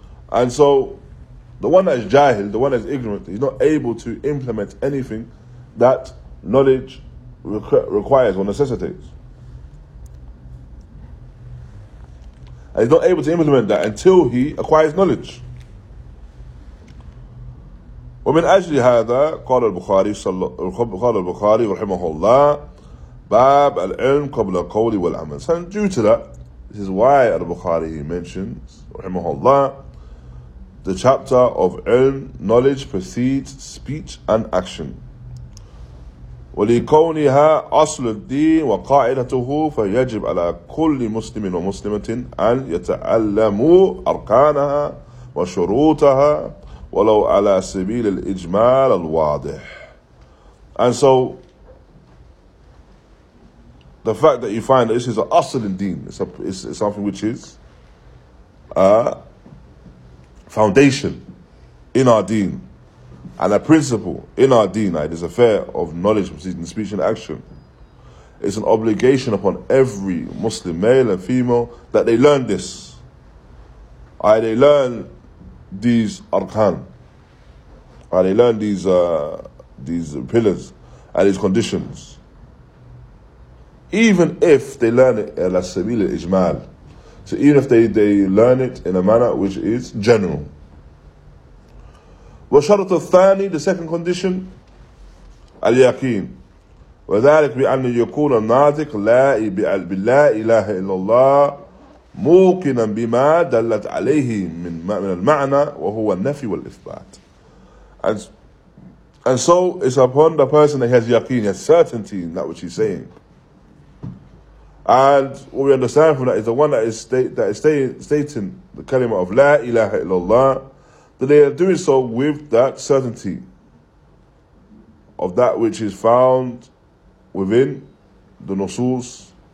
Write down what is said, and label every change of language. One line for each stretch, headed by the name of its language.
English: And so, the one that is jahil, the one that is ignorant, he's not able to implement anything that knowledge requires or necessitates. And he's not able to implement that until he acquires knowledge.
Arabic: ومن أجل هذا قال البخاري رحمه الله باب العلم قبل القول والعمل.
English: So due to that, this is why al-Bukhari mentions
Arabic: رحمه الله
English: the chapter of علم, knowledge precedes speech and action.
Arabic: ولكونها أصل الدين وقاعدته فيجب على كل مسلم ومسلمة أن يتعلموا أركانها وشروطها وَلَوْ عَلَى سَبِيلِ الْإِجْمَالَ الْوَاضِحِ.
English: And so, the fact that you find that this is an asl in deen, it's something which is a foundation in our deen, and a principle in our deen, like this affair of knowledge, precision, speech and action, it's an obligation upon every Muslim male and female that they learn this. They learn these arkan. And they learn these pillars and these conditions. Even if they learn it
Arabic: ala sabil al-ijmal,
English: so even if they learn it in a manner which is general.
Arabic: وشرط الثاني,
English: the second condition, اليقين.
Arabic: وذلك بأن يكون الناطق لا بالله إله إلا الله موقنا بما دلت عليه من المعنى وهو النفي والإثبات.
English: And so it's upon the person that he has yaqeen, he has certainty in that which he's saying. And what we understand from that is the one that is stating the kalima of
Arabic: La ilaha illallah,
English: that they are doing so with that certainty of that which is found within the nusus.